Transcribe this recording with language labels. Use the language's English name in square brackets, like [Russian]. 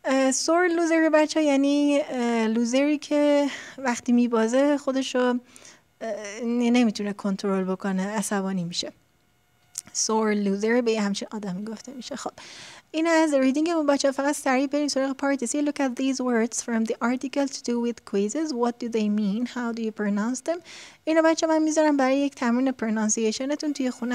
[Persian] Sore loser بچه ها یعنی لوزری که وقتی میبازه خودشو نمیتونه کنترل بکنه، عصبانی میشه. Sore loser به یه همچین آدمی گفته میشه. خب این از ریدینگ ما بچه ها. فقط سریع بریم سراغ پارت C. [English] Look at these words from the article to do with quizzes. What do they mean? How do you pronounce them? [Persian] اینو بچه من میذارم برای یک تمرین پرنانسیشنتون توی خونه.